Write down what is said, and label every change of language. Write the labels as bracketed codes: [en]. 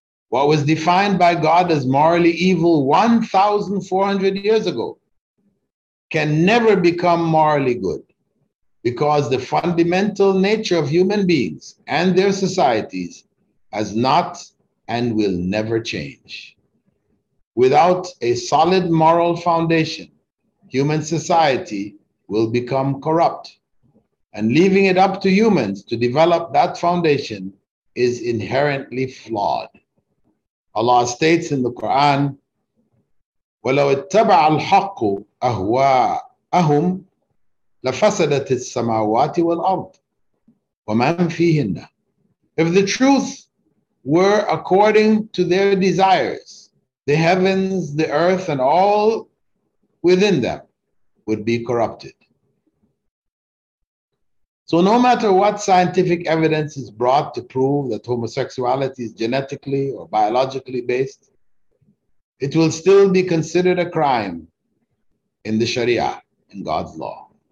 [en] What was defined by God as morally evil 1,400 years ago can never become morally good, because the fundamental nature of human beings and their societies has not and will never change. Without a solid moral foundation, human society will become corrupt, and leaving it up to humans to develop that foundation is inherently flawed. Allah states in the Quran, [ar] وَلَوْ اتَّبَعَ الْحَقُّ أَهْوَاءَهُمْ لَفَسَدَتِ السَّمَاوَاتِ وَالْأَرْضِ وَمَنْ فِيهِنَّ. [en] If the truth were according to their desires, the heavens, the earth, and all within them would be corrupted. So no matter what scientific evidence is brought to prove that homosexuality is genetically or biologically based, it will still be considered a crime in the Sharia, in God's law.